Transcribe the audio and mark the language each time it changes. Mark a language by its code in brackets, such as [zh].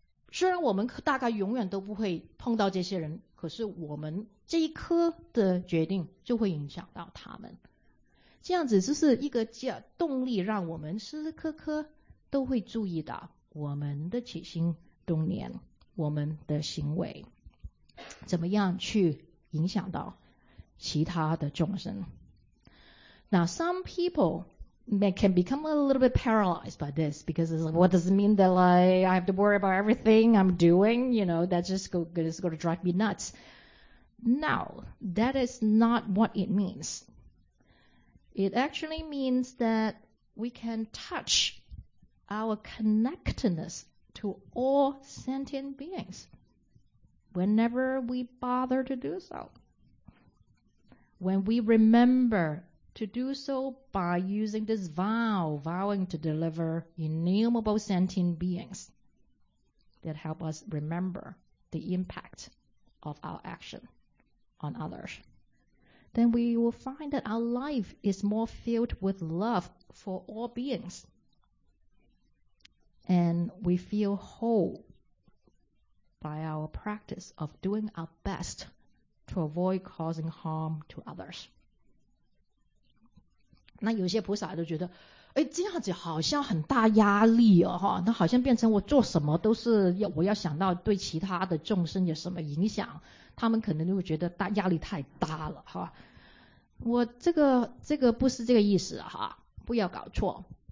[zh] 虽然我们大概永远都不会碰到这些人，可是我们这一颗的决定就会影响到他们。这样子就是一个动力，让我们时时刻刻都会注意到我们的起心动念，我们的行为怎么样去影响到其他的众生。 [en] Now some people can become a little bit paralyzed by this, because it's like, what does it mean that like I have to worry about everything I'm doing, you know, that's just going to drive me nuts. Now, that is not what it means. It actually means that we can touch our connectedness to all sentient beings whenever we bother to do so. When we remember to do so by using this vow, vowing to deliver innumerable sentient beings that help us remember the impact of our action on others, then we will find that our life is more filled with love for all beings. And we feel whole by our practice of doing our best to avoid causing harm to others. [zh] 那有些菩萨都觉得，哎，这样子好像很大压力哦，哈，那好像变成我做什么都是要我要想到对其他的众生有什么影响，他们可能就会觉得大压力太大了，哈。我这个不是这个意思哈，不要搞错。